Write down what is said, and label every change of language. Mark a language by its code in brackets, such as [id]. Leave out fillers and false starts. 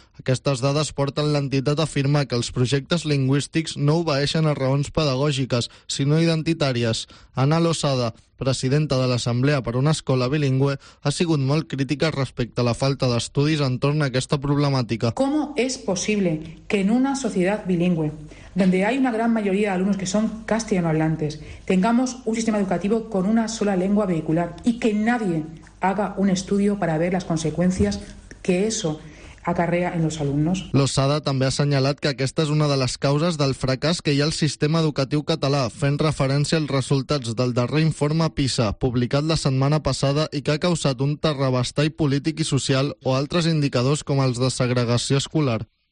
[ca] Aquestes dades porten l'entitat a afirmar que els projectes lingüístics no obeeixen a raons pedagògiques, sinó identitàries. Anna Losada, presidenta de l'Assemblea per una escola bilingüe, ha sigut molt crítica respecte a la falta d'estudis entorn a aquesta problemàtica. ¿Com és possible que en una societat bilingüe, [es] donde hay una gran mayoría de alumnos que son castellanohablantes, tengamos un sistema educativo con una sola lengua vehicular y que nadie haga un estudio para ver las consecuencias que eso acarrea en los alumnos? [ca] Losada també ha assenyalat que aquesta és una de les causes del fracàs que hi ha al sistema educatiu català, fent referència als resultats del darrer informe PISA, publicat la setmana passada i que ha causat un terrabastall polític i social o altres indicadors com els de segregació escolar.